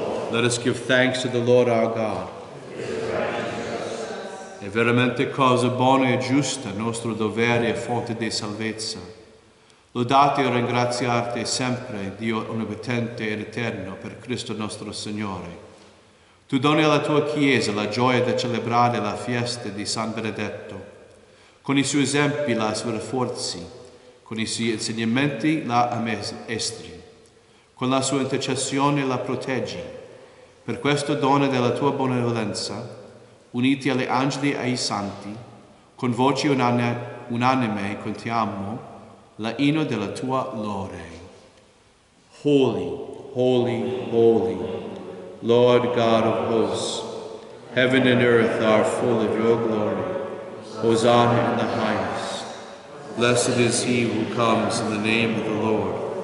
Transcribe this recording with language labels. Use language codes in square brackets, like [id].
[en] Let us give thanks to the Lord our God. [it] è veramente cosa buona e giusta, nostro dovere e fonte di salvezza. Lodate e ringraziate sempre, Dio onnipotente ed eterno, per Cristo nostro Signore. Tu doni alla tua Chiesa la gioia di celebrare la festa di San Benedetto. Con i suoi esempi la sforzi, con i suoi insegnamenti la ammaestri, con la sua intercessione la proteggi. Per questo dona della tua benevolenza, uniti agli angeli e ai santi, con voci unanime cantiamo la inno della tua lode. [en] Holy, holy, holy, Lord God of hosts, heaven and earth are full of your glory. Hosanna in the highest. Blessed is he who comes in the name of the Lord.